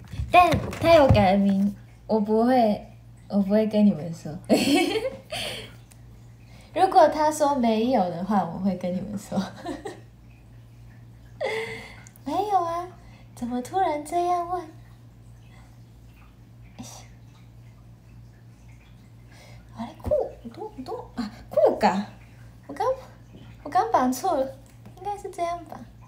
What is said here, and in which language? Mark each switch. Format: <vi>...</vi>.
<zh>但他有改名，我不会跟你们说。如果他说没有的话，我会跟你们说。没有啊，怎么突然这样问？</zh> <ja>あれ、こう、どう、どう、あ、こうか。</ja> <zh>我刚绑错了，应该是这样吧。</zh>